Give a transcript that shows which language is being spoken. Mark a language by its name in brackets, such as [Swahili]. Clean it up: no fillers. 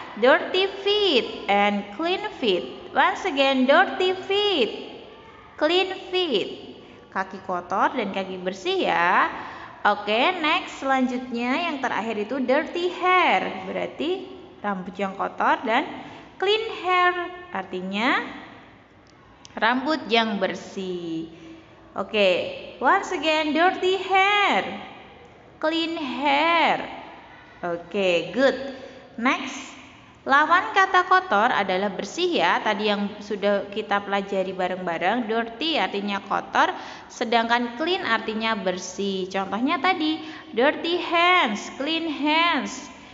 [English] Dirty feet and clean feet. Once again, dirty feet, clean feet. [Indonesian] Kaki kotor dan kaki bersih ya. Oke, next, selanjutnya yang terakhir itu dirty hair. Berarti rambut yang kotor dan clean hair. Artinya rambut yang bersih. [English] Oke, once again, dirty hair, clean hair. Oke, good. [Indonesian] Next, lawan kata kotor adalah bersih ya. Tadi yang sudah kita pelajari bareng-bareng, dirty artinya kotor, sedangkan clean artinya bersih. Contohnya tadi, dirty hands, clean hands.